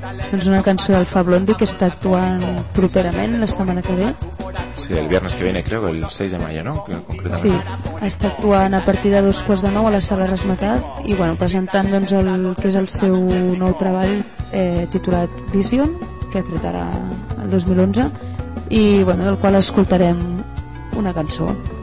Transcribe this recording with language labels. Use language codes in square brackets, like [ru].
[ca] Doncs una cançó d'Alfa Blondi que està actuant properament la setmana que ve. [es] Sí, el viernes que viene, creo, el 6 de mayo, ¿no? [ca] Concretament. Sí, està actuant a partir de 8:45 a la Sala Resmetat i bueno, presentant doncs el que és el seu nou treball, titulat Vision, que tret ara el 2011 i bueno, del qual escoltarem una cançó.